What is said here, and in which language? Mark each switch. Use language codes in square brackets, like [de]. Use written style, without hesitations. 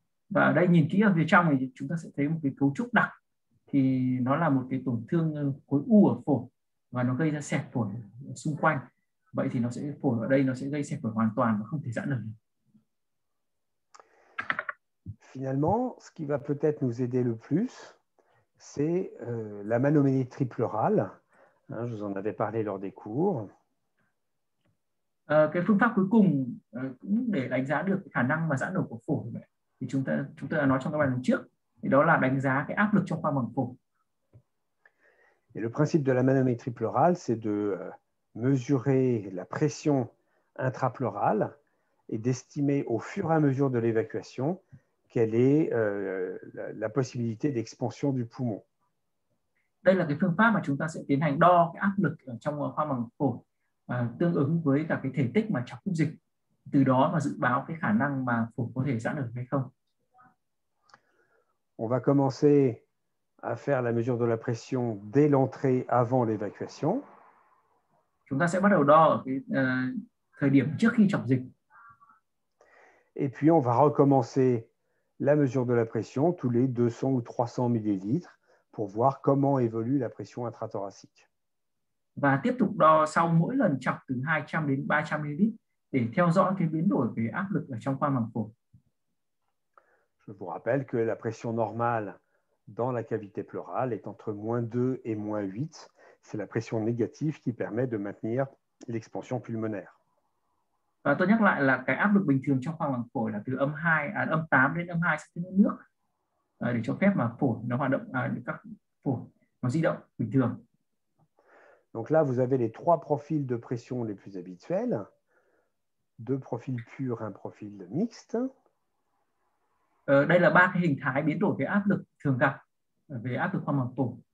[vi] Và ở đây nhìn kỹ ở phía trong thì chúng ta sẽ thấy một cái cấu trúc đặc thì nó là một cái tổn thương khối u ở phổi và nó gây ra xẹp phổi xung quanh. Vậy thì nó sẽ phổi ở đây nó sẽ gây xẹp phổi hoàn toàn và không thể giãn được. [fr] Finalement, ce qui va peut-être nous aider le plus, c'est la manométrie pleurale. Hein, je vous en avais parlé lors des cours. [vi] À, cái phương pháp cuối cùng cũng để đánh giá được cái khả năng mà giãn nở của phổi vậy. Thì chúng ta đã nói trong các bài lần trước thì đó là đánh giá cái áp lực trong khoang màng phổi. [fr] Et le principe de la manométrie pleurale, c'est de mesurer la pression intrapleurale et d'estimer au fur et à mesure de l'évacuation quelle est la possibilité d'expansion du poumon. [vi] Đây là cái phương pháp mà chúng ta sẽ tiến hành đo cái áp lực ở trong khoang màng phổi tương ứng với cả cái thể tích mà trong dung dịch, từ đó mà dự báo cái khả năng mà phổi có thể giãn được hay không. [fr] On va commencer à faire la mesure de la pression dès l'entrée avant l'évacuation. [vi] Chúng ta sẽ bắt đầu đo ở cái thời điểm trước khi chọc dịch. [fr] Et puis on va recommencer la mesure de la pression tous les 200 ou 300 millilitres pour voir comment évolue la pression intrathoracique. [vi] Và tiếp tục đo sau mỗi lần chọc từ 200 đến 300 ml để theo dõi cái biến đổi về áp lực ở trong khoang màng phổi. [fr] Je vous rappelle que la pression normale dans la cavité pleurale est entre moins 2 et moins 8. C'est la pression négative qui permet de maintenir l'expansion pulmonaire. [vi] Và tôi nhắc lại là cái áp lực bình thường trong khoang màng phổi là từ âm 8 đến âm 2 cm nước để cho phép mà phổi nó hoạt động, các phổi nó di động bình thường. [fr] Donc là, vous avez les trois profils de pression les plus habituels. Deux profils purs, un profil mixte. [vi] Đây là ba cái hình thái biến đổi về áp lực thường gặp về áp lực khoang màng phổi.